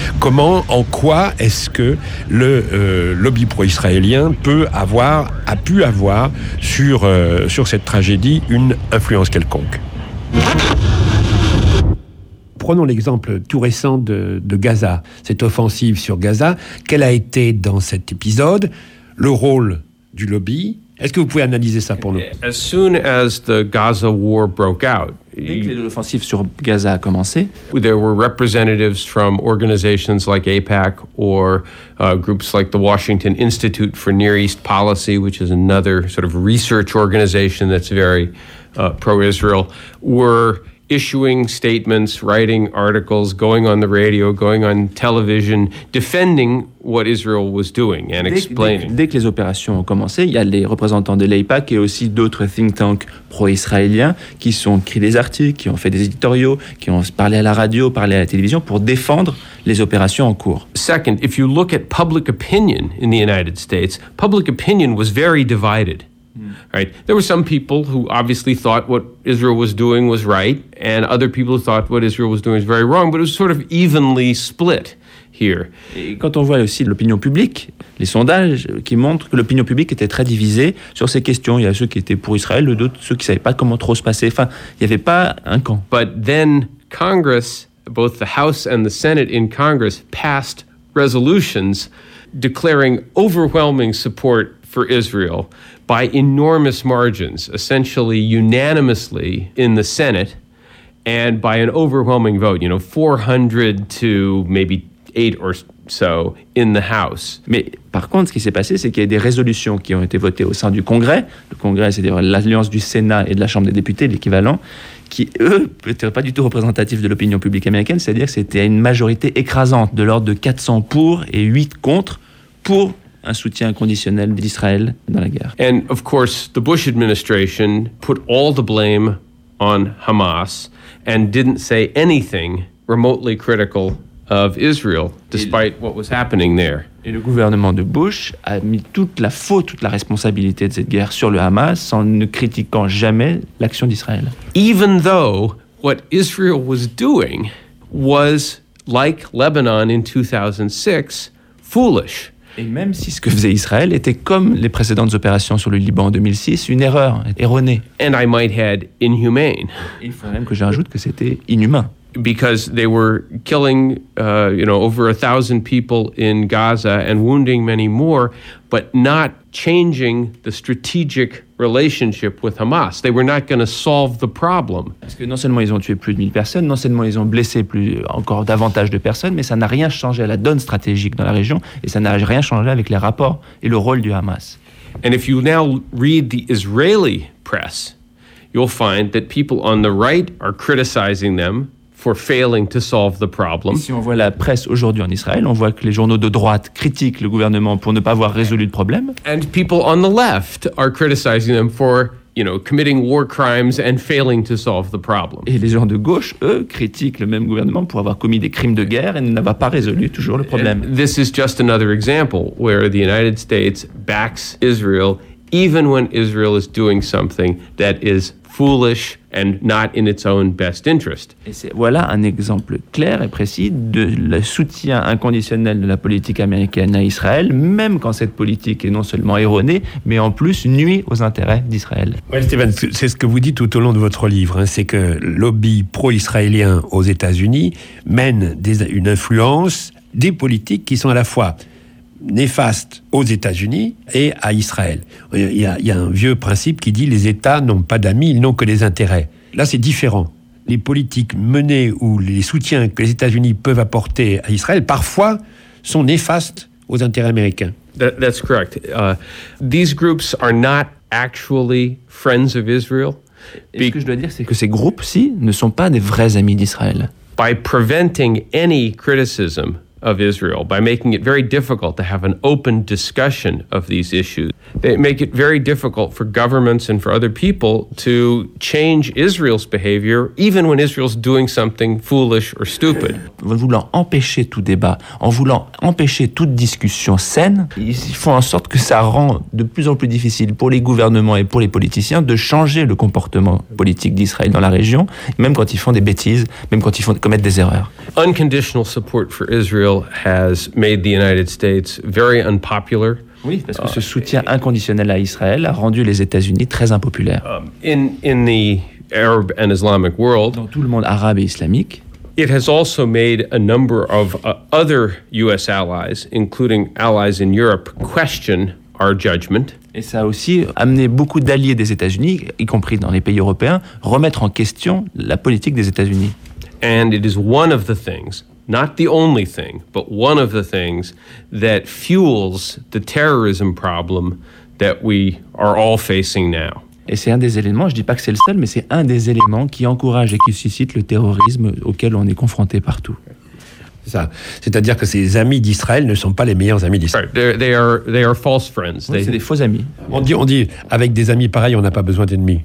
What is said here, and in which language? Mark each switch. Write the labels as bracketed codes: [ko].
[fr] Comment, en quoi est-ce que le lobby pro-israélien a pu avoir sur cette tragédie une influence quelconque? Prenons l'exemple tout récent de Gaza, cette offensive sur Gaza. Quel a été, dans cet épisode, le rôle du lobby? Est-ce que vous pouvez analyser ça pour nous? [en] As soon as the Gaza war broke out, [fr] dès que l'offensive sur Gaza a commencé, [en] there were representatives from organizations like AIPAC or groups like the Washington Institute for Near East Policy, which is another sort of research organization that's very pro-Israel, were issuing statements, writing articles, going on the radio, going on television, defending what Israel was doing and explaining. [fr] Dès que les opérations ont commencé, il y a les représentants de l'AIPAC et aussi d'autres think tanks pro-israéliens qui ont écrit des articles, qui ont fait des éditoriaux, qui ont parlé à la radio, parlé à la télévision pour défendre les opérations en cours. [en] Second, if you look at public opinion in the United States, public opinion was very divided. Right. There were some people who obviously thought what Israel was doing was right, and other people who thought what Israel was doing was very wrong, but it was sort of evenly split here. [fr] Et quand on voit aussi l'opinion publique, les sondages qui montrent que l'opinion publique était très divisée sur ces questions. Il y a ceux qui étaient pour Israël, d'autres ceux qui ne savaient pas comment trop se passer. Enfin, il n'y avait pas un camp. [en] But then Congress, both the House and the Senate in Congress, passed resolutions declaring overwhelming support for Israel by enormous margins, essentially unanimously in the Senate and by an overwhelming vote, 400 to maybe 8 or so in the House. [fr] Mais par contre, ce qui s'est passé, c'est qu'il y a des résolutions qui ont été votées au sein du Congrès. Le Congrès, c'est-à-dire l'alliance du Sénat et de la Chambre des députés, l'équivalent, qui, eux, n'étaient pas du tout représentatifs de l'opinion publique américaine, c'est-à-dire que c'était une majorité écrasante de l'ordre de 400 pour et 8 contre pour un soutien inconditionnel d'Israël dans la guerre. [en] And of course, the Bush administration put all the blame on Hamas and didn't say anything remotely critical of Israel, despite what was happening there. [fr] Et le gouvernement de Bush a mis toute la faute, toute la responsabilité de cette guerre sur le Hamas, sans ne critiquant jamais l'action d'Israël. [en] Even though what Israel was doing was, like Lebanon in 2006, foolish. [fr] Et même si ce que faisait Israël était, comme les précédentes opérations sur le Liban en 2006, une erreur erronée. [en] And I might add inhumane. [fr] Il faut même que j'ajoute que c'était inhumain. [en] Because they were killing, over 1,000 people in Gaza and wounding many more, but not changing the strategic relationship with Hamas. They were not going to solve the problem. [fr] Parce que non seulement ils ont tué plus de 1,000 personnes, non seulement ils ont blessé encore davantage de personnes, mais ça n'a rien changé à la donne stratégique dans la région et ça n'a rien changé avec les rapports et le rôle du Hamas. [en] And if you now read the Israeli press, you'll find that people on the right are criticizing them for failing to solve the problem. [fr] Si on voit la presse aujourd'hui en Israël, on voit que les journaux de droite critiquent le gouvernement pour ne pas avoir résolu le problème. [en] And people on the left are criticizing them for, committing war crimes and failing to solve the problem. [fr] Et les gens de gauche, eux, critiquent le même gouvernement pour avoir commis des crimes de guerre et n'avoir pas résolu toujours le problème. [en] And this is just another example where the United States backs Israel even when Israel is doing something that is foolish and not in its own best interest. [fr] Et c'est, voilà un exemple clair et précis de le soutien inconditionnel de la politique américaine à Israël, même quand cette politique est non seulement erronée, mais en plus nuit aux intérêts d'Israël. Ouais, Stephen, c'est ce que vous dites tout au long de votre livre, hein, c'est que le lobby pro-israélien aux États-Unis mène une influence des politiques qui sont à la fois néfaste aux États-Unis et à Israël. Il y a un vieux principe qui dit les États n'ont pas d'amis, ils n'ont que des intérêts. Là, c'est différent. Les politiques menées ou les soutiens que les États-Unis peuvent apporter à Israël, parfois, sont néfastes aux intérêts américains. [en] That's correct. These groups are not actually friends of Israel. [fr] Ce que je dois dire, c'est que ces groupes-ci ne sont pas des vrais amis d'Israël. [en] By preventing any criticism of Israel by making it very difficult to have an open discussion of these issues. They make it very difficult for governments and for other people to change Israel's behavior, even when Israel's doing something foolish or stupid. [fr] En voulant empêcher tout débat, en voulant empêcher toute discussion saine, ils font en sorte que ça rend de plus en plus difficile pour les gouvernements et pour les politiciens de changer le comportement politique d'Israël dans la région, même quand ils font des bêtises, même quand ils commettent des erreurs. [en] Unconditional support for Israel has made the United States very unpopular. [fr] Oui, parce que ce soutien inconditionnel à Israël a rendu les États-Unis très impopulaires. [en] In the Arab and Islamic world, [fr] dans tout le monde arabe et islamique, [en] it has also made a number of other U.S. allies, including allies in Europe, question our judgment. [fr] Et ça a aussi amené beaucoup d'alliés des États-Unis, y compris dans les pays européens, remettre en question la politique des États-Unis. [en] And it is one of the things, not the only thing, but one of the things that fuels the terrorism problem that we are all facing now. [fr] Et c'est un des éléments, je dis pas que c'est le seul, mais c'est un des éléments qui encourage et qui suscite le terrorisme auquel on est confronté partout. C'est ça. C'est-à-dire que ces amis d'Israël ne sont pas les meilleurs amis d'Israël. [en] Right. They are false friends. [fr] Oui, c'est des faux amis. On dit avec des amis pareils, on n'a pas besoin d'ennemis.